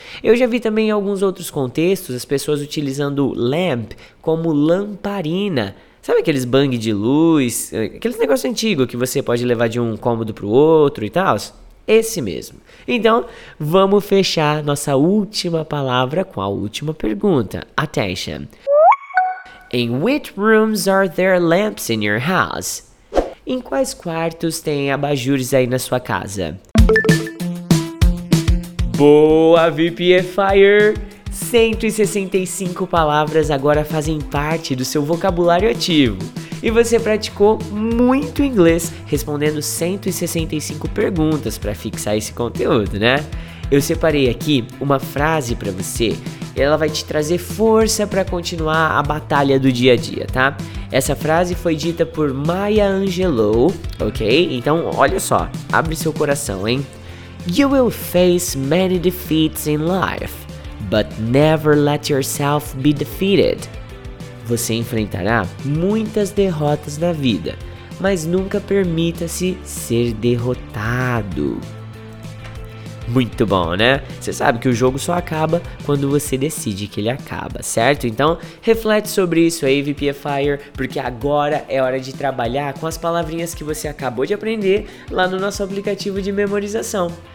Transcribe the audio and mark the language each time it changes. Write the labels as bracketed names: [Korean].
[Portuguese] Eu já vi também em alguns outros contextos as pessoas utilizando lamp como lamparina. Sabe aqueles bang de luz, aqueles negócio antigo que você pode levar de um cômodo pro outro e tal? Esse mesmo. Então, vamos fechar nossa última palavra com a última pergunta. [English] Attention. In which rooms are there lamps in your house? [Portuguese] Em quais quartos tem abajures aí na sua casa? Boa, VPFire! 165 palavras agora fazem parte do seu vocabulário ativo. E você praticou muito inglês respondendo 165 perguntas para fixar esse conteúdo, né? Eu separei aqui uma frase para você. Ela vai te trazer força para continuar a batalha do dia a dia, tá? Essa frase foi dita por Maya Angelou, ok? Então, olha só, abre seu coração, hein? [English] You will face many defeats in life, but never let yourself be defeated. [Portuguese] Você enfrentará muitas derrotas na vida, mas nunca permita-se ser derrotado. Muito bom, né? Você sabe que o jogo só acaba quando você decide que ele acaba, certo? Então, reflete sobre isso aí, VPFire, porque agora é hora de trabalhar com as palavrinhas que você acabou de aprender lá no nosso aplicativo de memorização.